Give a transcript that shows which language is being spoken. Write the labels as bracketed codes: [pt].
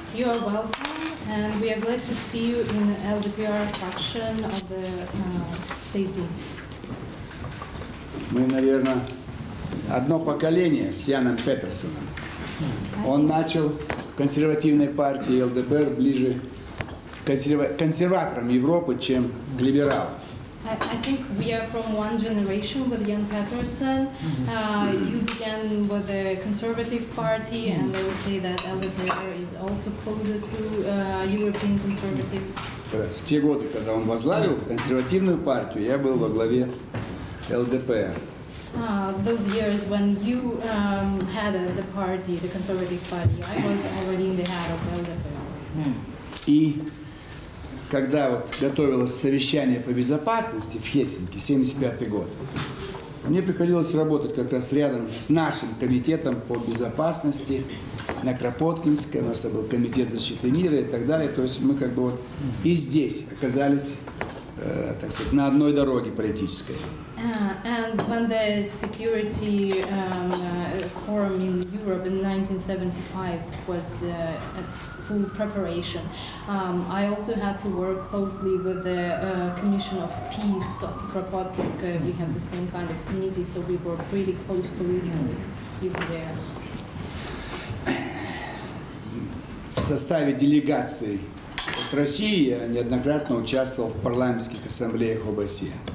[en] You are welcome, and we are glad to see you in the LDPR faction of the State Duma. [ru] Мы, наверное, одно поколение с Яном Петерсоном. Он начал в консервативной партии ЛДПР ближе к консерваторам Европы, чем к либералам. [en] I think we are from one generation with Jan Peterson. You began with the conservative party, and I would say that LDPR is also closer to European conservatives. [ru] В те годы, когда он возглавил консервативную партию, я был во главе ЛДПР. [en] Those years when you had the party, the conservative party, I was already in the head of LDPR. [ru] И когда вот готовилось совещание по безопасности в Хельсинки, 75-й год, мне приходилось работать как раз рядом с нашим комитетом по безопасности на Кропоткинской. У нас был комитет защиты мира и так далее. То есть мы как бы вот и здесь оказались, так сказать, на одной дороге политической. [en] And when the security forum in Europe in 1975 was at full preparation, I also had to work closely with the Commission of Peace of Kropotkin. We have the same kind of committee, so we were pretty close politically even there. [ru] В составе делегации от России я неоднократно участвовал в парламентских ассамблеях ОБСЕ.